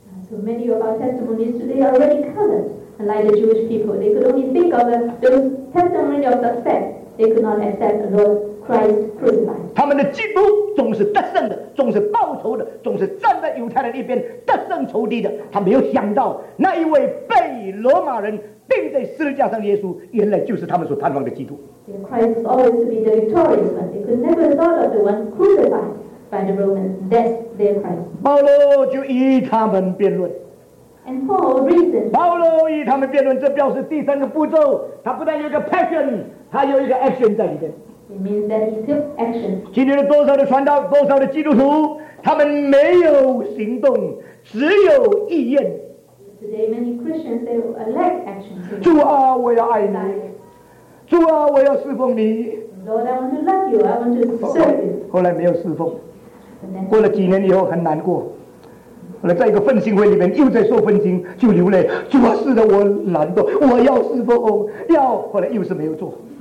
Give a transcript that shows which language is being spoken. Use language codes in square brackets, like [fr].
[en] So many of our testimonies today are already colored, like the Jewish people, they could only think of those testimonies of success. They could not accept the Lord Christ crucified. [zh] 他们的基督总是得胜的，总是报仇的，总是站在犹太人一边得胜仇敌的。他没有想到那一位被罗马人钉在十字架上的耶稣，原来就是他们所盼望的基督。 [en] Christ always to be the victorious one. They could never thought of the one crucified by the Romans. That's their Christ. [zh] 保罗就与他们辩论。 [en] And Paul reasoned. [zh] 保罗与他们辩论，这表示第三个步骤，他不但有个 passion。他有一个 action 在里面。 [en] It means that he took action. [zh] 今天的多少的传道，多少的基督徒，他们没有行动，只有意愿。 [en] Today, many Christians they lack action. [zh] 主啊，我要爱你。主啊，我要侍奉你。 [en] Lord, I want to love you. I want to serve you. [zh] 后来没有侍奉，过了几年以后很难过。后来在一个奋兴会里面又在受奋兴，就流泪。主啊，是的，我懒惰，我要侍奉，要。后来又是没有做。